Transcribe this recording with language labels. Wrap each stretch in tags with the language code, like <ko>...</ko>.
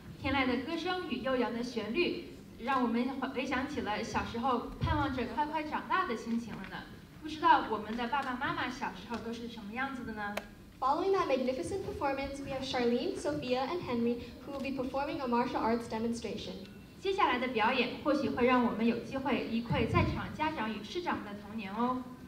<zh>天籁的歌声与悠扬的旋律，让我们回想起了小时候盼望着快快长大的心情了呢。不知道我们的爸爸妈妈小时候都是什么样子的呢？</zh> <en>Following that magnificent performance, we have Charlene, Sophia, and Henry, who will be performing a martial arts demonstration.</en> <zh>接下来的表演或许会让我们有机会一窥在场家长与师长们的童年哦。</zh>